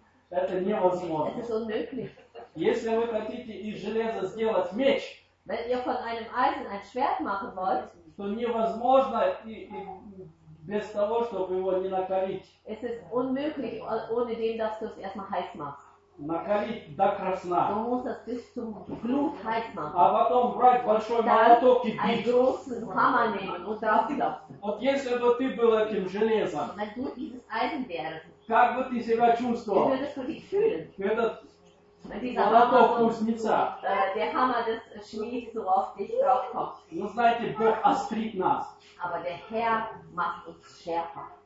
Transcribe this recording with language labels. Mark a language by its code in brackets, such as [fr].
[ru] Это невозможно. Если вы хотите из железа сделать меч, [de] wenn ihr von einem Eisen ein Schwert machen wollt, [ru] то невозможно и без того, чтобы его не накалить. [de] Es ist unmöglich, ohne dem, dass du es erstmal heiß machst. [ru] накалить до красна. [de] Du musst das bis zum Blut heiß machen. [ru] А потом брать большой молоток и бить. [de] Großen Hammer nehmen und drauf klopfen. [ru] Вот если бы ты был этим железом. [de] Wenn du dieses Eisen wärst. [ru] Как бы ты себя чувствовал? [de] Wie würdest du dich fühlen? [ru] Этот молоток кузнеца. [de] Der Hammer des Schmieds so auf dich drauf kommt. [ru] Ну знаете, Бог острит нас. [de] Aber der Herr macht uns schärfer.